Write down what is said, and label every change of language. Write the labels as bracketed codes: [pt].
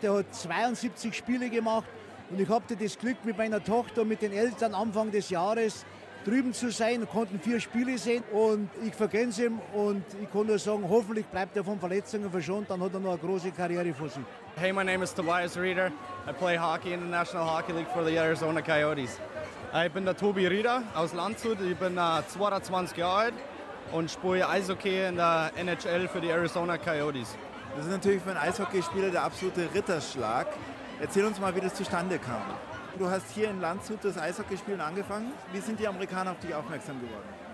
[de] Der hat 72 Spiele gemacht und ich hatte das Glück, mit meiner Tochter und mit den Eltern Anfang des Jahres drüben zu sein, konnten 4 Spiele sehen und ich vergönne es ihm und ich kann nur sagen, hoffentlich bleibt er von Verletzungen verschont, dann hat er noch eine große Karriere vor sich. [en] Hey, my name is Tobias Rieder. I play hockey in the National Hockey League for the Arizona Coyotes. [de] Ich bin der Tobi Rieder aus Landshut. Ich bin 22 Jahre alt und spiele Eishockey in der NHL für die Arizona Coyotes. Das ist natürlich für einen Eishockeyspieler der absolute Ritterschlag. Erzähl uns mal, wie das zustande kam. Du hast hier in Landshut das Eishockeyspielen angefangen. Wie sind die Amerikaner auf dich aufmerksam geworden?